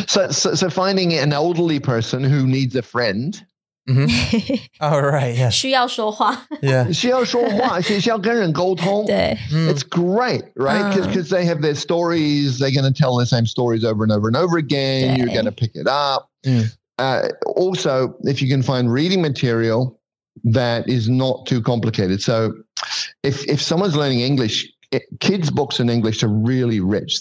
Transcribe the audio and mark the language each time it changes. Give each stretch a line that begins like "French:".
English: So finding an elderly person who needs a friend. Mm-hmm. All right. Yeah.
Chinese: 需要说话.
English: Yeah.
Chinese: 需要说话, 需要跟人沟通. 对.
English: It's great, right? Because they have their stories. They're going to tell the same stories over and over and over again. 对. You're going to pick it up. Also, if you can find reading material that is not too complicated. So if someone's learning English, kids' books in English are really rich.